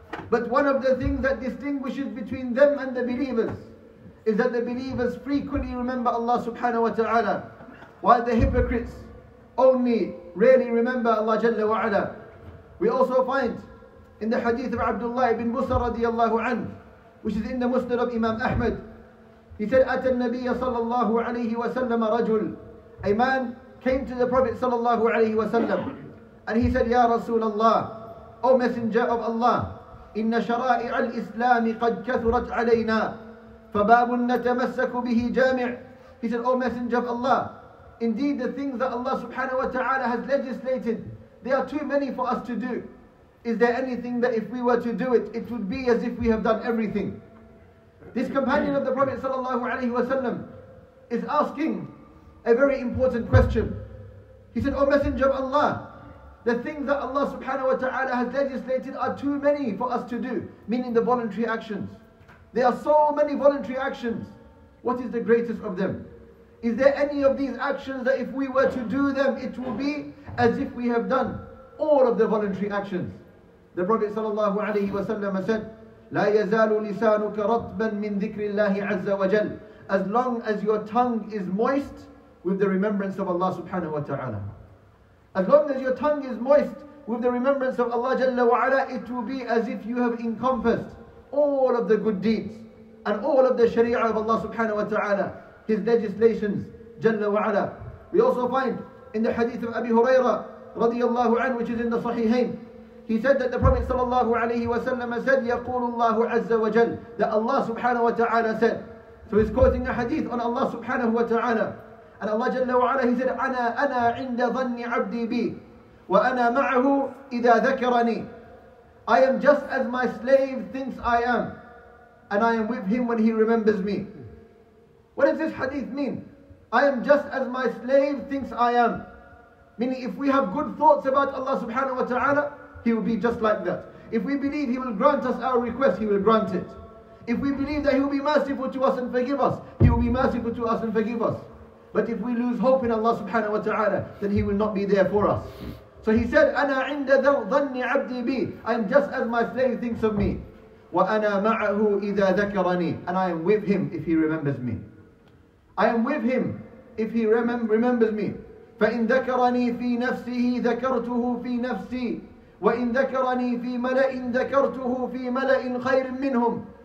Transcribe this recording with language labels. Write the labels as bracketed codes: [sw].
[en] But one of the things that distinguishes between them and the believers is that the believers frequently remember Allah subhanahu wa ta'ala, while the hypocrites only rarely remember Allah jalla wa ala. We also find in the hadith of Abdullah ibn Musa radiyallahu anhu, which is in the Musnad of Imam Ahmad, he said, [ar] أَتَى النَّبِيَّ صَلَى اللَّهُ عَلَيْهِ وَسَلَّمَ رَجُلٌ. [en] A man came to the Prophet [ar] صلى الله عليه وسلم [en] and he said, [ar] يَا رَسُولَ اللَّهِ, [en] O Messenger of Allah, [ar] إِنَّ شَرَائِعَ الْإِسْلَامِ قَدْ كَثُرَتْ عَلَيْنَا فَبَابٌ نَتَمَسَّكُ بِهِ جَامِعٌ. [en] He said, O Messenger of Allah, indeed the things that Allah subhanahu wa ta'ala has legislated, they are too many for us to do. Is there anything that if we were to do it, it would be as if we have done everything? This companion of the Prophet sallallahu alayhi wa sallam is asking a very important question. He said, O Messenger of Allah, the things that Allah subhanahu wa ta'ala has legislated are too many for us to do, meaning the voluntary actions. There are so many voluntary actions. What is the greatest of them? Is there any of these actions that if we were to do them, it will be as if we have done all of the voluntary actions? The Prophet sallallahu alayhi wa sallam said, [ar] لا يزال لسانك رطبا من ذكر الله عز وجل. [en] As long as your tongue is moist with the remembrance of Allah subhanahu wa ta'ala. As long as your tongue is moist with the remembrance of Allah jalla wa ala, it will be as if you have encompassed all of the good deeds and all of the sharia of Allah subhanahu wa ta'ala, his legislations jalla wa ala. We also find in the hadith of Abi Huraira radiyallahu anhu, which is in the Sahihain, he said that the Prophet sallallahu alayhi wa sallam said, [ar] يَقُولُ اللَّهُ عَزَّ وَجَلَّ, [en] that Allah subhanahu wa ta'ala said, So he's quoting a hadith on Allah subhanahu wa ta'ala. And Allah jalla wa ala, he said, [ar] أَنَا عِنْدَ ظَنِّ عَبْدِي بِي وَأَنَا مَعَهُ إِذَا ذَكَرَنِي. [en] I am just as my slave thinks I am, and I am with him when he remembers me. What does this hadith mean? I am just as my slave thinks I am. Meaning if we have good thoughts about Allah subhanahu wa ta'ala, he will be just like that. If we believe he will grant us our request, he will grant it. If we believe that he will be merciful to us and forgive us, he will be merciful to us and forgive us. But if we lose hope in Allah subhanahu wa ta'ala, then he will not be there for us. [ar] So he said, أَنَا عِنْدَ ظَنِّ عَبْدِي بِي. [en] I am just as my slave thinks of me. [ar] وَأَنَا مَعَهُ إِذَا ذَكَرَنِي. [en] And I am with him if he remembers me. I am with him if he remembers me. [ar] فَإِنْ ذَكَرَنِي فِي نَفْسِهِ ذَكَرْتُهُ فِي نَفْسِي. وَإِنْ ذَكَرَنِي فِي مَلَئٍ ذَكَرْتُهُ فِي مَلَئٍ خَيْرٍ مِّنْهُمْ.